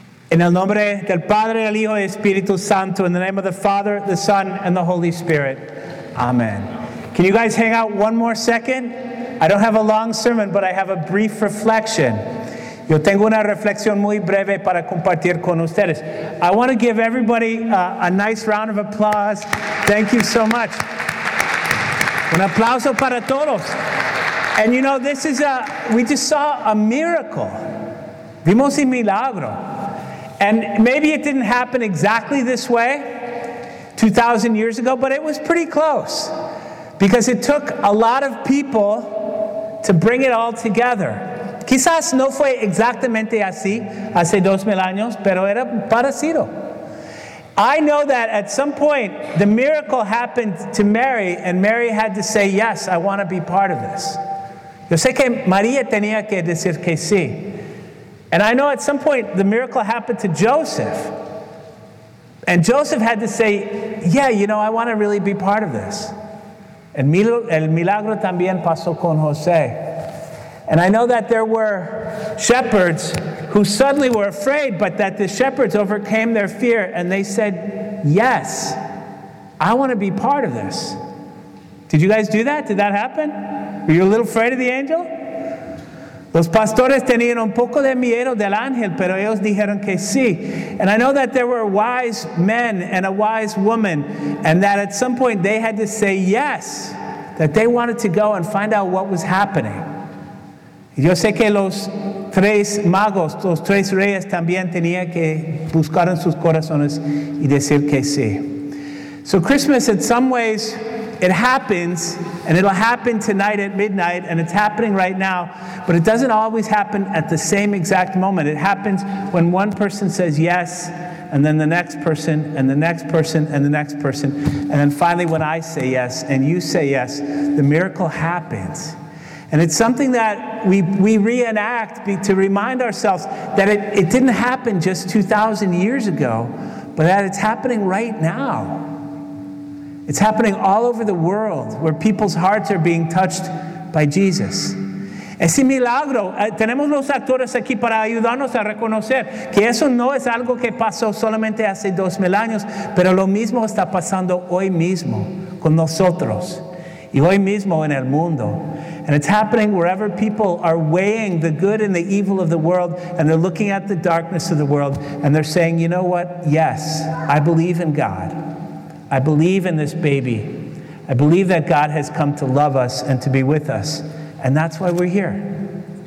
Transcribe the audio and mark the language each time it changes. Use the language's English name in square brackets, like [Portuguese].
[Spanish] En el nombre del Padre, el Hijo y el Espíritu Santo. [English] In the name of the Father, the Son, and the Holy Spirit. Amen. Can you guys hang out one more second? I don't have a long sermon, but I have a brief reflection. [Spanish] Yo tengo una reflexión muy breve para compartir con ustedes. [English] I want to give everybody a nice round of applause. Thank you so much. [Spanish] Un aplauso para todos. [English] And you know, this is we just saw a miracle. [Spanish] Vimos un milagro. [English] And maybe it didn't happen exactly this way 2,000 years ago, but it was pretty close. Because it took a lot of people to bring it all together. [Spanish] Quizás no fue exactamente así hace 2,000 años, pero era parecido. [English] I know that at some point, the miracle happened to Mary, and Mary had to say, yes, I want to be part of this. [Spanish] Yo sé que María tenía que decir que sí. [English] And I know at some point, the miracle happened to Joseph. And Joseph had to say, yeah, you know, I want to really be part of this. And [Spanish] el milagro también pasó con José. [English] And I know that there were shepherds who suddenly were afraid, but that the shepherds overcame their fear and they said, yes, I want to be part of this. Did you guys do that? Did that happen? Were you a little afraid of the angel? [Spanish] Los pastores tenían un poco de miedo del ángel, pero ellos dijeron que sí. [English] And I know that there were wise men and a wise woman, and that at some point they had to say yes, that they wanted to go and find out what was happening. [Spanish] Yo sé que los tres magos, los tres reyes, también tenían que buscar en sus corazones y decir que sí. [English] So Christmas, in some ways, it happens, and it'll happen tonight at midnight, and it's happening right now, but it doesn't always happen at the same exact moment. It happens when one person says yes, and then the next person, and the next person, and the next person, and then finally when I say yes, and you say yes, the miracle happens. And it's something that we reenact to remind ourselves that it didn't happen just 2,000 years ago, but that it's happening right now. It's happening all over the world where people's hearts are being touched by Jesus. [Spanish] Ese milagro, tenemos los actores aquí para ayudarnos a reconocer que eso no es algo que pasó solamente hace 2,000 años, pero lo mismo está pasando hoy mismo con nosotros y hoy mismo en el mundo. [English] And it's happening wherever people are weighing the good and the evil of the world, and they're looking at the darkness of the world, and they're saying, you know what? Yes, I believe in God. I believe in this baby. I believe that God has come to love us and to be with us. And that's why we're here.